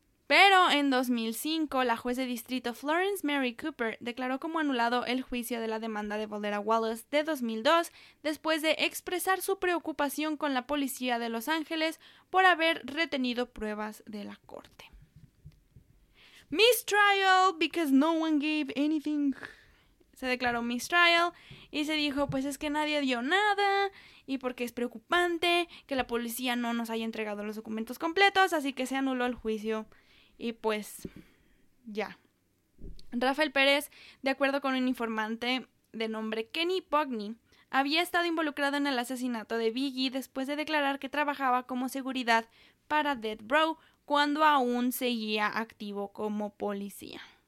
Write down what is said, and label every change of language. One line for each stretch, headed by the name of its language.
Spanish: Pero en 2005, la juez de distrito Florence Mary Cooper declaró como anulado el juicio de la demanda de Valera Wallace de 2002 después de expresar su preocupación con la policía de Los Ángeles por haber retenido pruebas de la corte.
English: Mistrial, because no one gave anything.
Spanish: Se declaró mistrial y se dijo, pues es que nadie dio nada y porque es preocupante que la policía no nos haya entregado los documentos completos, así que se anuló el juicio. Y pues, ya. Rafael Pérez, de acuerdo con un informante de nombre Kenny Pugney, había estado involucrado en el asesinato de Biggie después de declarar que trabajaba como seguridad para Death Row cuando aún seguía activo como policía.